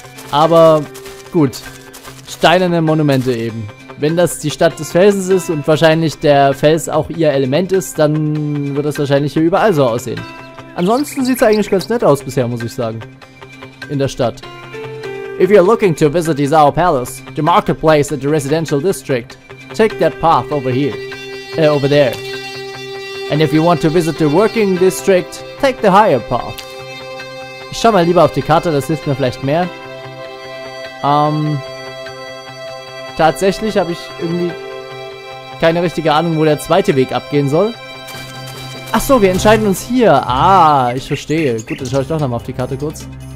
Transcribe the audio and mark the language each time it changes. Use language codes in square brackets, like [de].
[de] Aber gut, steinerne Monumente eben. Wenn das die Stadt des Felsens ist und wahrscheinlich der Fels auch ihr Element ist, dann wird das wahrscheinlich hier überall so aussehen. Ansonsten sieht es eigentlich ganz nett aus bisher, muss ich sagen. In der Stadt. [en] If you're looking to visit Izao Palace, the marketplace at the residential district, take that path over here. Over there. And if you want to visit the working district, take the higher path. [de] Ich schau mal lieber auf die Karte, das hilft mir vielleicht mehr. Tatsächlich habe ich irgendwie keine richtige Ahnung, wo der zweite Weg abgehen soll. Ach so, wir entscheiden uns hier. Ah, ich verstehe. Gut, dann schaue ich doch nochmal auf die Karte kurz.